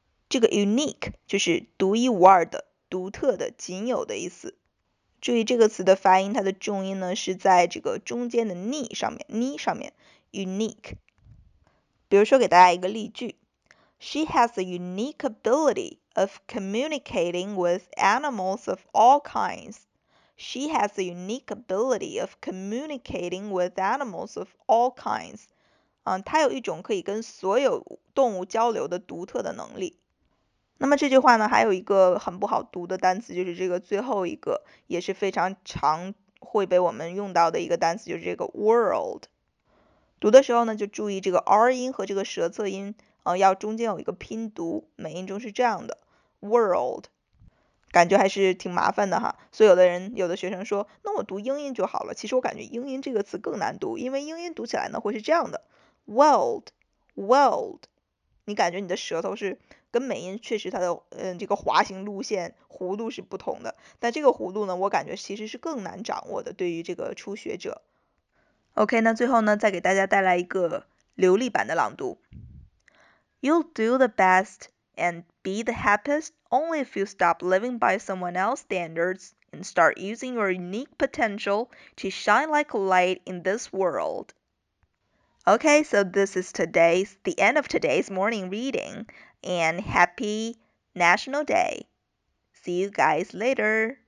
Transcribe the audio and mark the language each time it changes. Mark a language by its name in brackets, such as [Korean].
[Chinese] 这个 unique 就是独一无二的、独特的、仅有的意思。注意这个词的发音，它的重音呢是在这个中间的 ni 上面 unique。比如说给大家一个例句， [English] She has a unique ability of communicating with animals of all kinds. She has a unique ability of communicating with animals of all kinds. [Chinese] 她有一种可以跟所有动物交流的独特的能力。那么这句话呢，还有一个很不好读的单词，就是这个最后一个，也是非常常会被我们用到的一个单词，就是这个 world。读的时候呢，就注意这个 R 音和这个舌侧音，要中间有一个拼读，美音中是这样的 world。感觉还是挺麻烦的哈，所以有的学生说，那我读英音就好了。其实我感觉英音这个词更难读，因为英音读起来呢会是这样的 world， 你感觉你的舌头是跟美音确实它的这个滑行路线弧度是不同的，但这个弧度呢，我感觉其实是更难掌握的，对于这个初学者。 OK， 那最后呢，再给大家带来一个流利版的朗读。 [English] You'll do the best and be the happiest only if you stop living by someone else's standards and start using your unique potential to shine like a light in this world. Okay, so this is the end of today's morning reading, and happy National Day. See you guys later.